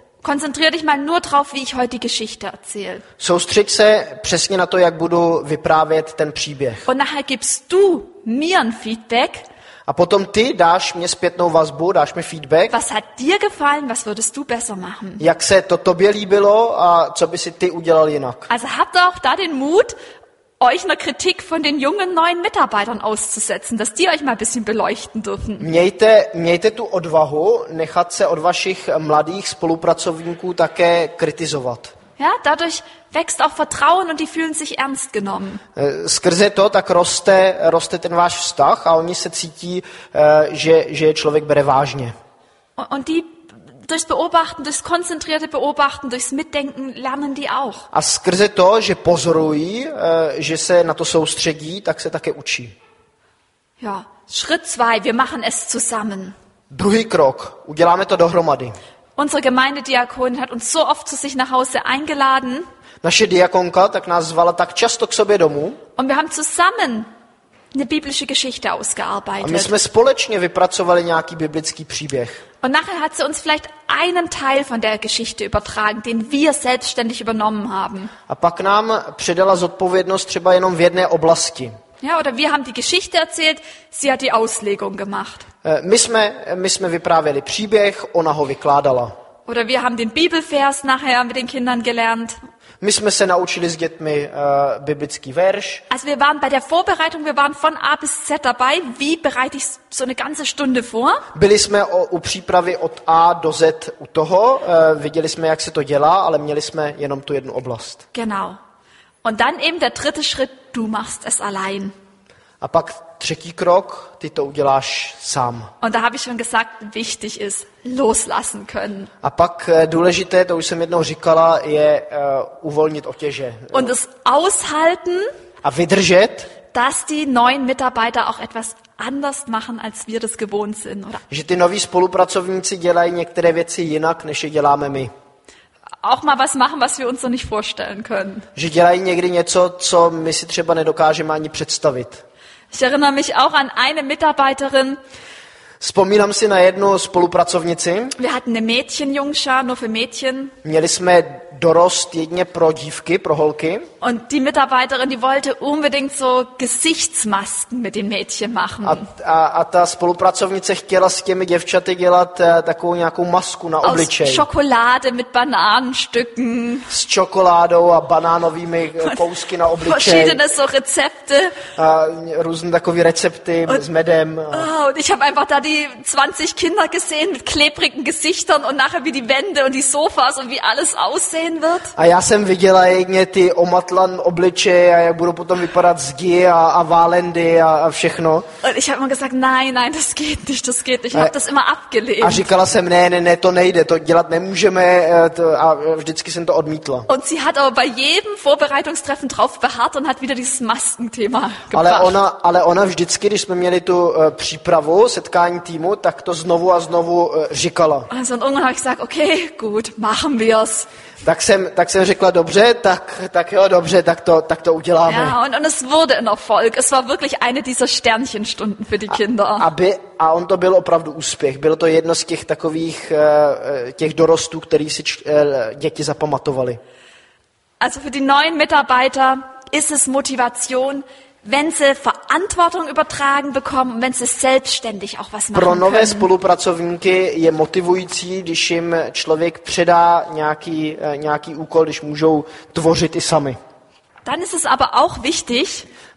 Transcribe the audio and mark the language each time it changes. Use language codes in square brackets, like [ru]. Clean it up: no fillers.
[de] Konzentrier dich mal nur drauf, wie ich heute die Geschichte erzähle. [cs] Soustřeď se přesně na to, jak budu vyprávět ten příběh. [de] Und nachher gibst du mir ein Feedback. [cs] A potom ty dáš mě zpětnou vazbu, dáš mi feedback. [de] Was hat dir gefallen, was würdest du besser machen? [cs] Jak se to tobě líbilo a co by si ty udělal jinak? [de] Also habt auch da den Mut, euch einer Kritik von den jungen neuen Mitarbeitern auszusetzen, dass die euch mal ein bisschen beleuchten dürfen. [cs] Mějte tu odvahu nechat se od vašich mladých spolupracovníků také kritizovat. [de] Ja, dadurch wächst auch Vertrauen und die fühlen sich ernst genommen. [cs] Skrze to tak roste ten váš vztah a oni se cítí, že je člověk bere vážně. [de] Und die durchs Beobachten, durchs konzentrierte Beobachten, durchs Mitdenken lernen die auch. [cs] A skrze to, že pozorují, že se na to soustředí, tak se také učí. [de] Ja, Schritt 2, wir machen es zusammen. [cs] Druhý krok, uděláme to dohromady. [de] Unsere Gemeindediakonin hat uns so oft zu sich nach Hause eingeladen. [cs] Naše diakonka tak nás zvala tak často k sobě domů. [de] Und wir haben zusammen eine biblische Geschichte ausgearbeitet. [cs] A my jsme společně vypracovali nějaký biblický příběh. [de] Und nachher hat sie uns vielleicht einen Teil von der Geschichte übertragen, den wir selbstständig übernommen haben. [cs] A pak nám předala zodpovědnost třeba jenom v jedné oblasti. [de] Ja, oder wir haben die Geschichte erzählt, sie hat die Auslegung gemacht. [cs] My jsme vyprávěli příběh, ona ho vykládala. [de] Oder wir haben den Bibelvers nachher mit den Kindern gelernt. [cs] My jsme se naučili s dětmi biblický verš. [de] Also wir waren bei der Vorbereitung, wir waren von A bis Z dabei. Wie bereite ich so eine ganze Stunde vor? [cs] Byli jsme u přípravy od A do Z u toho, viděli jsme, jak se to dělá, ale měli jsme jenom tu jednu oblast. [de] Genau. Und dann eben der dritte Schritt, du machst es allein. [cs] A pak třetí krok, ty to uděláš sám. [de] Und da habe ich schon gesagt, wichtig ist loslassen können. [cs] A pak důležité, to už jsem jednou říkala, je uvolnit otěže. [de] Und es aushalten. [cs] A vydržet. [de] Dass die neuen Mitarbeiter auch etwas anders machen, als wir das gewohnt sind, oder? [cs] Že ty noví spolupracovníci dělají některé věci jinak, než je děláme my. [de] Auch mal was machen, was wir uns noch nicht vorstellen können. [cs] Že dělají někdy něco, co my si třeba nedokážeme ani představit. [de] Ich erinnere mich auch an eine Mitarbeiterin. [cs] Vzpomínám si na jednu spolupracovnici. [de] Wir hatten eine Mädchenjungschar, nur für Mädchen. [cs] Měli jsme dorost jedně pro dívky, pro holky. [de] Und die Mitarbeiterin, die wollte unbedingt so Gesichtsmasken mit den Mädchen machen. [cs] A ta spolupracovnice chtěla s těmi děvčaty dělat takovou nějakou masku na obličej. [de] Aus Schokolade mit Bananenstücken. [cs] S čokoládou a banánovými kousky na obličej. [de] Verschiedene so Rezepte. [cs] A různé takové recepty s medem. [de] Und ich habe einfach da die 20 Kinder gesehen mit klebrigen Gesichtern und nachher wie die Wände und die Sofas und wie alles aussehen wird. [cs] A já jsem viděla jedně ty matlan obličeje a jak budou potom vypadat zdi a válendy a všechno. [de] Ich habe mal gesagt, nein, das geht nicht. Ich habe das immer abgelehnt. [cs] A říkala jsem, ne, to nejde, to dělat nemůžeme, to, a vždycky jsem to odmítla. [de] Und sie hat aber bei jedem Vorbereitungstreffen drauf beharrt und hat wieder dieses Maskenthema gebracht. [cs] Ale ona vždycky, když jsme měli tu přípravu, setkání týmu, tak to znovu a znovu říkala. [de] Also und irgendwann habe ich gesagt, okay, gut, machen wir's. [cs] Tak jsem řekla dobře, tak jo, dobře, tak to uděláme. [de] Ja, und es wurde ein Erfolg. Es war wirklich eine dieser Sternchenstunden für die Kinder. [cs] A on to byl opravdu úspěch. Bylo to jedno z těch takových těch dorostů, který si děti zapamatovali. [de] Also für die neuen Mitarbeiter ist es Motivation, wenn sie Verantwortung übertragen bekommen, wenn sie selbstständig auch was machen können. [cs] Pro nové [de] können. [cs] Spolupracovníky je motivující, když jim člověk předá nějaký úkol, když můžou tvořit i sami. [de] Dann ist es aber auch wichtig,